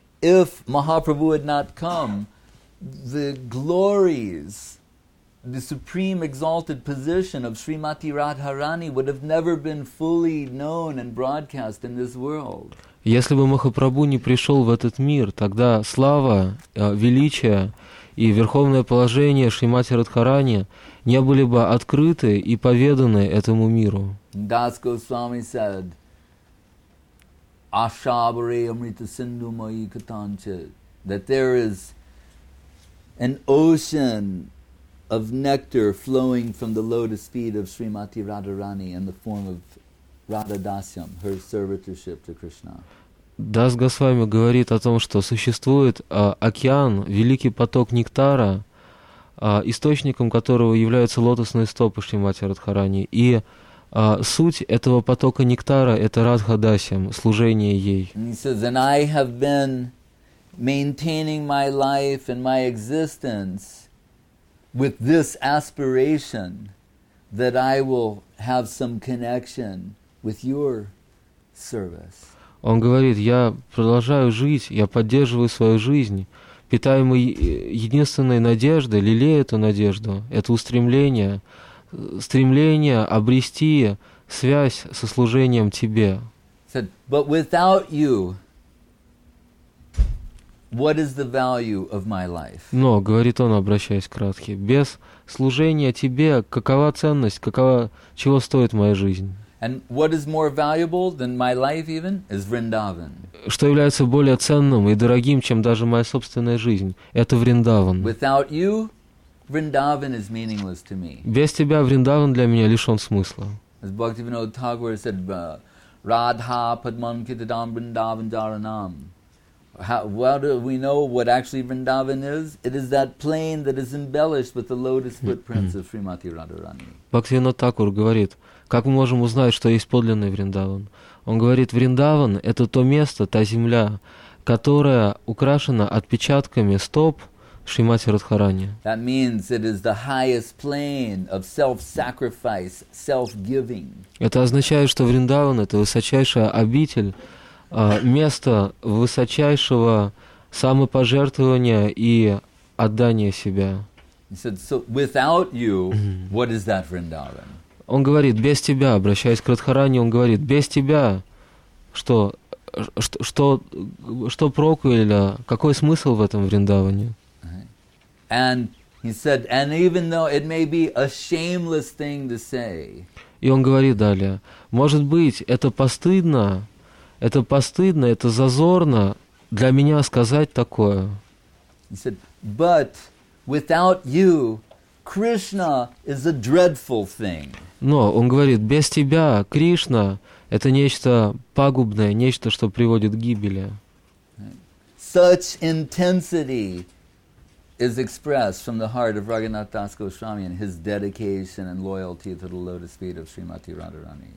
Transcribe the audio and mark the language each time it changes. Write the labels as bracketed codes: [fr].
[en] If Mahaprabhu had not come, the glories, the supreme exalted position of Srimati Radharani would have never been fully known and broadcast in this world. [ru] Если бы Махапрабху не пришел в этот мир, тогда слава, величие и верховное положение Шримати Радхарани не были бы открыты и поведаны этому миру. [en] Das Goswami said, [sa] Ashabare Amrita Sindhu Mayi Katanchit, [en] that there is an ocean of nectar flowing from the lotus feet of Srimati Radharani in the form of Radha Dasyam, her servitorship to Krishna. [ru] Дас Госвами говорит о том, что существует океан, великий поток нектара, источником которого являются лотосные стопы Шримати Радхарани. И суть этого потока нектара — это Радха Дасям, служение ей. [en] And he says, and I have been maintaining my life and my existence with this aspiration that I will have some connection with your service. [ru] Он говорит, я продолжаю жить, я поддерживаю свою жизнь, питаемый единственной надеждой, лелею эту надежду, это устремление, стремление обрести связь со служением тебе. [en] Said, but without you, what is the value of my life? [ru] Но, говорит он, обращаясь к Радхе, без служения тебе, какова ценность, какова, чего стоит моя жизнь? [en] And what is more valuable than my life even is Vrindavan. [ru] Что является более ценным и дорогим, чем даже моя собственная жизнь, это Вриндаван. [en] Without you, Vrindavan is meaningless to me. [ru] Без тебя Вриндаван для меня лишен смысла. [en] As Bhaktivinoda Thakur said, [sa] Radha Padmankitadam Vrindavan Jaranam. [en] How do we know what actually Vrindavan is? It is that plain that is embellished with the lotus footprints of Srimati Radharani. [ru] Бхактивинода Такур говорит, как мы можем узнать, что есть подлинный Вриндаван? Он говорит, Вриндаван – это то место, та земля, которая украшена отпечатками стоп Шримати Радхарани. [en] That means it is the highest plane of self-sacrifice, self-giving. [ru] Это означает, что Вриндаван – это высочайшая обитель, место высочайшего самопожертвования и отдания себя. [en] He said, so without you, what is that Vrindavan? [ru] Он говорит, без тебя, обращаясь к Радхарани, он говорит, без тебя, что проку или какой смысл в этом Вриндаване? [en] And he said, and even though it may be a shameless thing to say. [ru] И он говорит далее, может быть, это постыдно, это зазорно для меня сказать такое. [en] He said, but without you, Krishna is a dreadful thing. [ru] Но он говорит, без тебя Кришна – это нечто пагубное, нечто, что приводит к гибели. [en] Such intensity is expressed from the heart of Raghunath Das Goswami and his dedication and loyalty to the lotus feet of Srimati Radharani.